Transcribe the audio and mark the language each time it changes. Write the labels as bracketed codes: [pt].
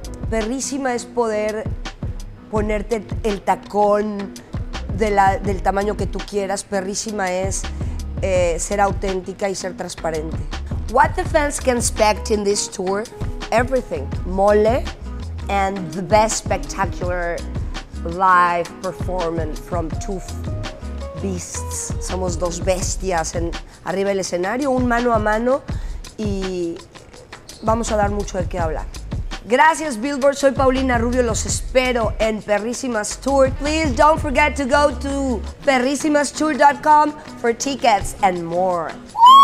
[es] Perrisima es poder ponerte el tacón del tamaño que tú quieras. Perrisima es ser auténtica y ser transparente. [en] What the fans can expect in this tour? Everything. Mole and the best spectacular live performance from two beasts. [es] Somos dos bestias en arriba del escenario, un mano a mano, y vamos a dar mucho de qué hablar. Gracias, Billboard. Soy Paulina Rubio. Los espero en Perrisimas Tour. [en] Please don't forget to go to perrisimastour.com for tickets and more. Woo!